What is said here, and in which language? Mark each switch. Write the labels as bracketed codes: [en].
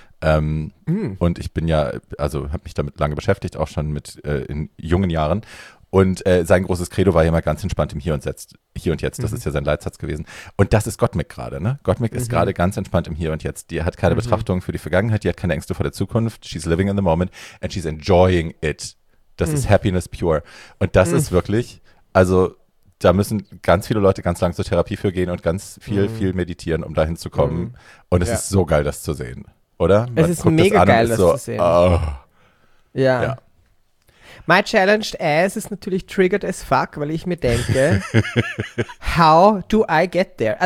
[de] Und ich bin ja, also habe mich damit lange beschäftigt, auch schon in jungen Jahren. Und sein großes Credo war ja immer ganz entspannt im Hier und Jetzt. Hier und Jetzt, das ist ja sein Leitsatz gewesen. Und das ist Gottmik gerade, ne? Gottmik ist gerade ganz entspannt im Hier und Jetzt. Die hat keine Betrachtung für die Vergangenheit, die hat keine Ängste vor der Zukunft. [en] She's living in the moment and she's enjoying it. [de] Das ist Happiness pure. Und das ist wirklich, also da müssen ganz viele Leute ganz lang zur Therapie für gehen und ganz viel, viel meditieren, um dahin zu kommen. Und es ist so geil, das zu sehen, oder? Es ist mega geil, das zu sehen. Ja. [en] My challenged ass [de] ist natürlich [en] triggered as fuck, [de] weil ich mir denke, [en] how do I get there?